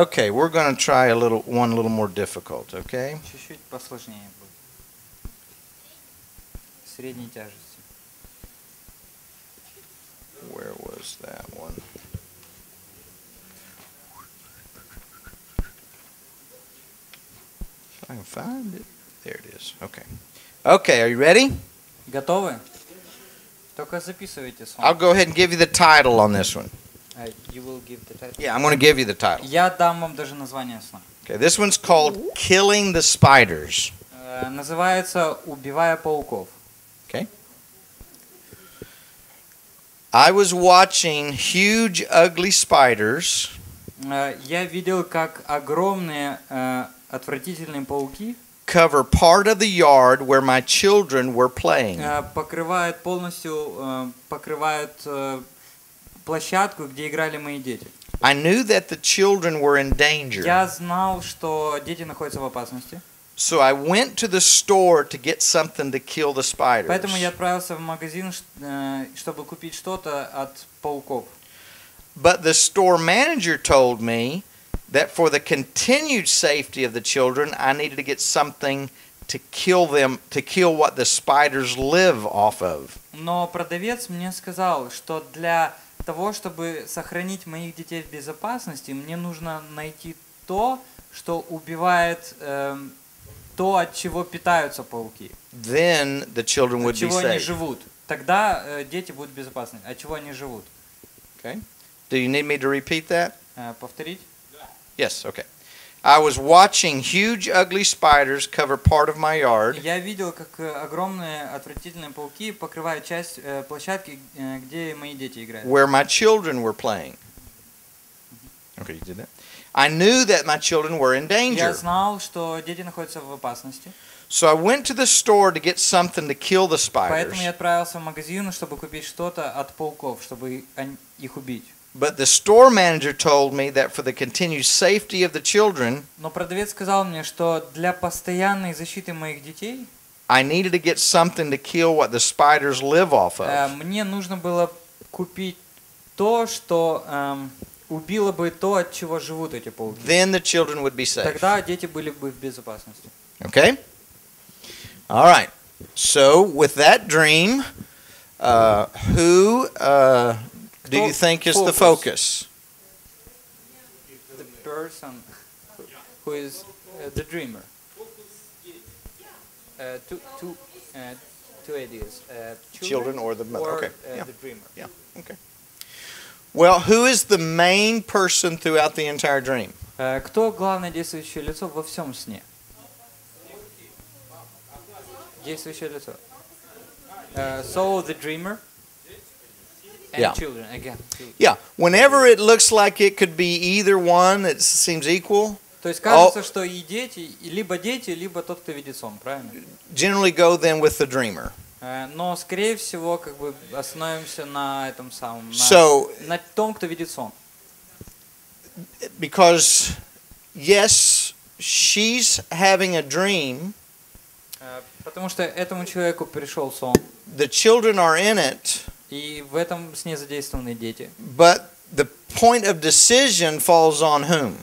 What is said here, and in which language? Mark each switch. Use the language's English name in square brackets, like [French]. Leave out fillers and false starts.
[English] Okay, we're gonna try a little more difficult, okay? [Russian] Чуть-чуть посложнее будет. Средней тяжести. [English] Where was that one? If I can find it. There it is. Okay. Okay, are you ready? [Russian] Готовы? Только записывайте сон. [English] I'll go ahead and give you the title on this one. You will give the title? Yeah, I'm going to give you the title. [Russian] Я дам вам даже название сна. [English] Okay, this one's called Killing the Spiders. [Russian] Называется «Убивая пауков». [English] Okay. I was watching huge, ugly spiders. [Russian] Я видел, как огромные, отвратительные пауки [English] cover part of the yard where my children were playing. [Russian] Покрывают площадку, где играли мои дети. [English] I knew that the children were in danger. [Russian] Я знал, что дети находятся в опасности. [English] So I went to the store to get something to kill the spiders. [Russian] Поэтому я отправился в магазин, чтобы купить что-то от пауков. [English] But the store manager told me that for the continued safety of the children, I needed to get something to kill them, to kill what the spiders live off of. [Russian] Но продавец мне сказал, что для того, чтобы сохранить моих детей в безопасности, мне нужно найти то, что убивает то, от чего питаются пауки. [English] Then the children would be safe. [Russian] От чего они живут. Тогда дети будут безопасны. От чего они живут. [English] Okay. Do you need me to repeat that? [Russian] Повторить? [English] Yes, okay. I was watching huge ugly spiders cover part of my yard. [Russian] Я видел, как огромные отвратительные пауки покрывают часть площадки, где мои дети играют. [English] Where my children were playing. Okay, you did that. I knew that my children were in danger. [Russian] Я знал, что дети находятся в опасности. [English] So I went to the store to get something to kill the spiders. [Russian] Поэтому я отправился в магазин, чтобы купить что-то от пауков, чтобы их убить. [English] But the store manager told me that for the continued safety of the children. [Russian] Но продавец сказал мне, что для постоянной защиты моих детей. [English] I needed to get something to kill what the spiders live off of. [Russian] Мне нужно было купить то, что убило бы то, от чего живут эти пауки. [English] Then the children would be safe. [Russian] Тогда дети были бы в безопасности. [English] Okay. All right. So with that dream, who do you think is the focus? The person who is the dreamer. Two ideas. Children or the mother. Okay. The dreamer. Yeah. Okay. Well, who is the main person throughout the entire dream? [Russian] Кто главное действующее лицо во всем сне? Действующее лицо. [English] So the dreamer. children again. Yeah. Whenever it looks like it could be either one, it seems equal. [Russian] То есть кажется, что и дети, либо тот, кто видит сон, правильно? [English] Generally go then with the dreamer. [Russian] Но скорее всего, как бы остановимся на этом самом, на том, кто видит сон. [English] Because yes, she's having a dream. [Russian] Потому что этому человеку пришел сон. [English] The children are in it. [Russian] И в этом с ней задействованы дети. [English] But the point of decision falls on whom?